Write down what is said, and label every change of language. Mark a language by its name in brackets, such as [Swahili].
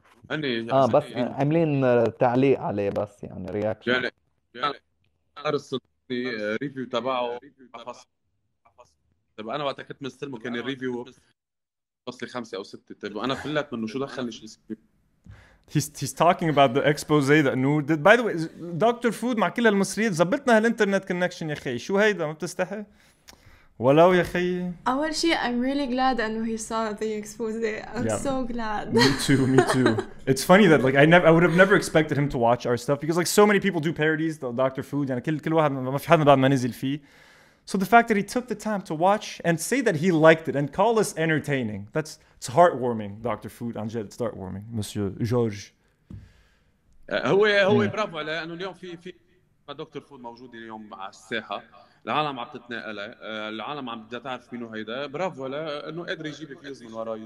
[Arabic] اني بس عاملين تعليق عليه بس يعني رياكشن يعني ارسل لي ريفيو تبعه فصل طب انا وقتها كنت مستلمه كان الريفيو فصل 5 أو 6 طيب وانا فلت منه شو دخلني شو اسمي [English] He's talking about the expose that Noor did. By the way, Dr. [Arabic] Food, مع كل المصريين زبطنا هالإنترنت كونكشن يا خي. شو هيدا ما بتستحي؟ ولو يا خي. أول شيء, [English] I'm really glad that he saw the expose. So glad. Me too. It's funny that like I would have never expected him to watch our stuff because like so many people do parodies of Dr. Food. [Arabic] يعني كل واحد ما في حد ما بعد ما نزل فيه. [English] So the fact that he took the time to watch and say that he liked it and call us entertaining, it's heartwarming, Dr. Food. Anjel, it's heartwarming, Monsieur Georges. [Arabic] هو برافو عليه لأنه اليوم في دكتور فود موجود اليوم على الساحة. العالم عم تتنقل. العالم عم بدها تعرف مين هيدا. برافو عليه أنه قادر يجيب فيوز من وراي.